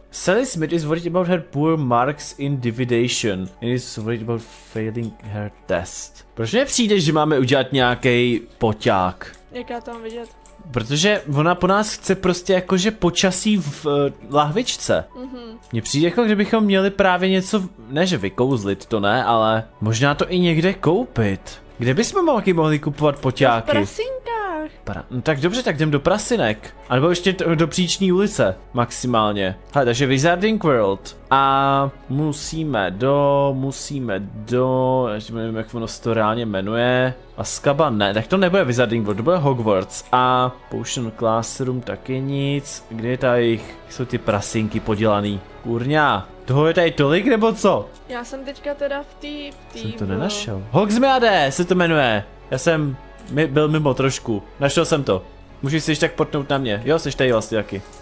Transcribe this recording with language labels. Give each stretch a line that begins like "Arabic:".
English: Sally Smith is worried about her poor marks in divination. And is worried about failing her test.
Czech: Proč mi přijde, že máme udělat nějaký poťák? Jak já to mám vidět? Protože ona po nás chce prostě jakože počasí v lahvičce. Mm-hmm. Mně přijde jako, kdybychom měli právě něco, ne že vykouzlit, to ne, ale možná to i někde koupit. Kde bychom malky mohli kupovat poťáky? V prasinkách. No tak dobře, tak jdem do prasinek. A nebo ještě do příční ulice, maximálně. Hele, takže Wizarding World. A musíme do, ještě nevím, jak ono se to reálně jmenuje. Azkaban, ne, tak to nebude Wizarding World, to bude Hogwarts. A Potion Classroom, taky nic. Kde je tady, jsou ty prasinky podělaný? Kurňa. Toho je tady tolik, nebo co? Já jsem teďka teda v té... Jsem to nenašel. Hogsmeade se to jmenuje. Já jsem byl mimo trošku. Našel jsem to. Můžeš si ještě tak potnout na mě. Jo, seš tady vlastně taky.